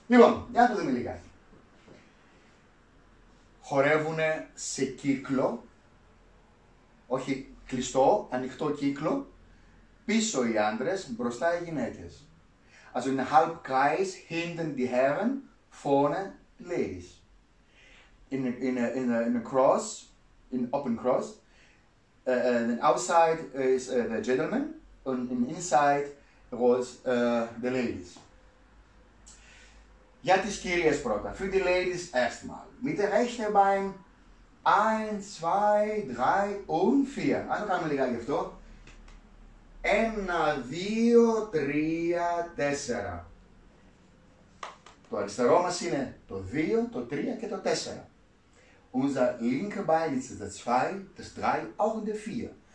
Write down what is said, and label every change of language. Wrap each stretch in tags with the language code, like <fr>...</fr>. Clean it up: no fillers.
<el>Λοιπόν, για να το δούμε λιγάκι. Χορεύουνε σε κύκλο, όχι κλειστό, ανοιχτό κύκλο, πίσω οι άντρες, μπροστά οι γυναίκες.</el> <de>Also in Halbkreis hinten die Herren, vorne ladies.</de> <en>In a cross, in open cross, then outside is the gentleman, and in inside was the ladies.</en> <el>Για τις κυρίες πρώτα,</el> <de>für die ladies erstmal. Mit der rechten Bein 1, 2, 3 und 4.</de> <el>Ας το κάνουμε λιγάκι αυτό. 1, 2, 3, 4. Το αριστερό μας είναι το 2, το 3 και το 4.</el> <de>Unser linker Bein ist das 2, das 3, auch der 4.</de>